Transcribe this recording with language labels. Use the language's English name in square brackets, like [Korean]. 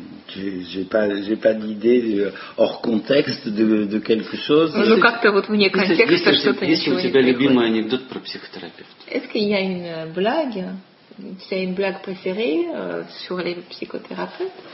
[French] J'ai pas d'idée hors contexte de quelque chose. [Russian] Ну как-то вот вне контекста что-то ничего. Есть у тебя любимый анекдот про психотерапевта? [French] Est-ce qu'il y a une blague? C'est une blague préférée sur les psychothérapeutes?